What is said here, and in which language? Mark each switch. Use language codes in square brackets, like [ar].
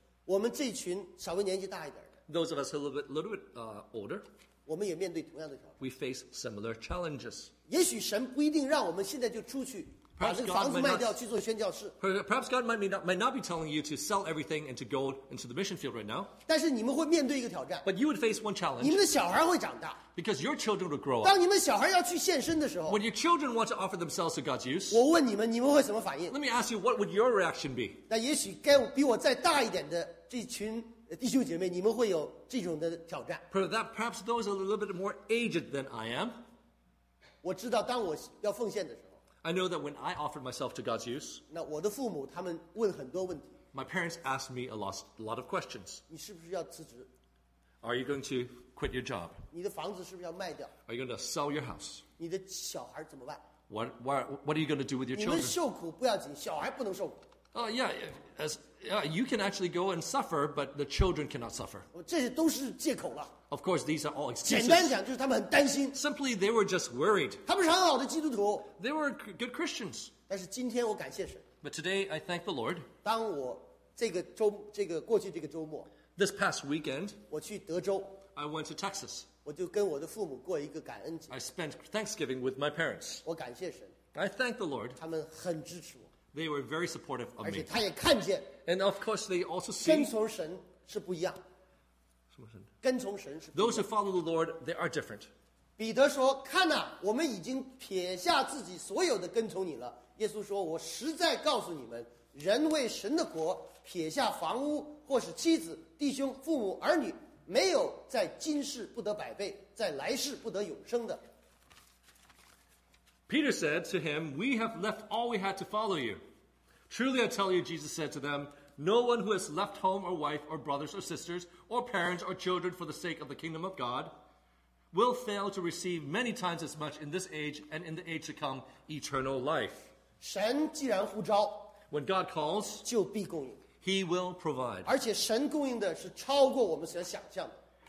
[zh] 我们这群稍微年纪大一点的 [en] Those of us a little bit older. [zh] 我们也面对同样的挑战 [en] We face similar challenges. [zh] 也许神不一定让我们现在就出去把这个房子卖掉去做宣教士 [en] Perhaps God might not be telling you to sell everything and to go into the mission field right now. [zh] 但是你们会面对一个挑战 [en] But you would face one challenge. [zh] 你们的小孩会长大 [en] Because your children will grow up. [zh] 当你们小孩要去献身的时候 [en] When your children want to offer themselves to God's use. [zh] 我问你们，你们会怎么反应 [en] Let me ask you, what would your reaction be? [zh] 那也许该比我再大一点的这群弟兄姐妹，你们会有这种的挑战 [en] Perhaps those a little bit more aged than I am. [zh] 我知道，当我要奉献的时候 [en] I know that when I offered myself to God's use, [zh] 那我的父母他们问很多问题。 [en] My parents asked me a lot of questions. [zh] 你是不是要辞职？ [en] Are you going to quit your job? [zh] 你的房子是不是要卖掉？ [en] Are you going to sell your house? [zh] 你的小孩怎么办？ [en] What are you going to do with your children? [zh] 你们受苦不要紧，小孩不能受苦。 [en] You can actually go and suffer, but the children cannot suffer. [zh] 这些都是借口了。 [en] Of course, these are all excuses. [zh] 简单讲就是他们很担心。 [en] Simply, they were just worried. [zh] 他们是很好的基督徒。 [en] They were good Christians. [zh] 但是今天我感谢神。 [en] But today, I thank the Lord. [zh] 当我这个过去这个周末。 [en] This past weekend. [zh] 我去德州。 [en] I went to Texas. [zh] 我就跟我的父母过一个感恩节。 [en] I spent Thanksgiving with my parents. [zh] 我感谢神。 [en] I thank the Lord. [zh] 他们很支持我。 [en] They were very supportive of me. [zh] 而且他也看见。 [en] And of course, they also see. [zh] 跟从神是不一样。跟从神是。 [en] Those who follow the Lord, they are different. [zh] 彼得说：“看哪，我们已经撇下自己所有的跟从你了。”耶稣说：“我实在告诉你们，人为神的国撇下房屋或是妻子弟兄父母儿女，没有在今世不得百倍，在来世不得永生的。 [en] Peter said to him, we have left all we had to follow you. Truly I tell you, Jesus said to them, no one who has left home or wife or brothers or sisters or parents or children for the sake of the kingdom of God will fail to receive many times as much in this age and in the age to come eternal life. [zh] 神既然呼召， [en] when God calls, [zh] 就必供应。 [en] He will provide. [zh] 而且神供应的是超过我们所想象的。